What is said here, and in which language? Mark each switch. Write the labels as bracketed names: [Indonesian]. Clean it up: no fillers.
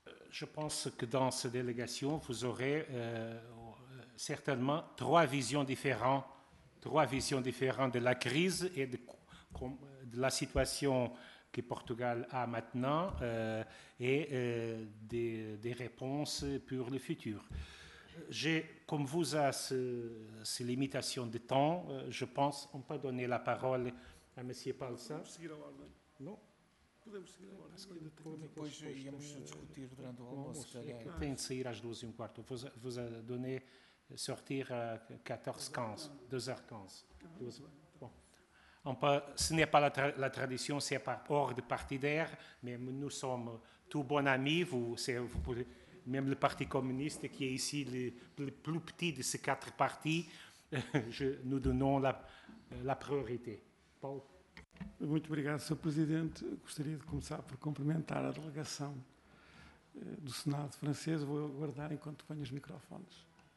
[French] Je pense que dans cette délégation, vous aurez certainement trois visions différentes de la crise et de la situation que Portugal a maintenant des réponses pour le futur. Comme vous a ces limitations de temps, je pense qu'on peut donner la parole à Monsieur Paulo Sá. Non? [Portuguese] Depois íamos discutir durante o almoço, se calhar. Tem de sair às 2h15. Vou [French] donner sortir à 14h15, 2h15. Ce n'est pas la tradition, c'est hors de partidaire, mais nous sommes tous bons amis. Vous pouvez. Même le Parti communiste, qui est ici le plus petit de ces quatre partis, nous donnons la priorité. Paulo. [Portuguese] Muito obrigado, Sr. Presidente. Gostaria de começar por cumprimentar a delegação do Senado francês. Vou aguardar enquanto ponho os microfones.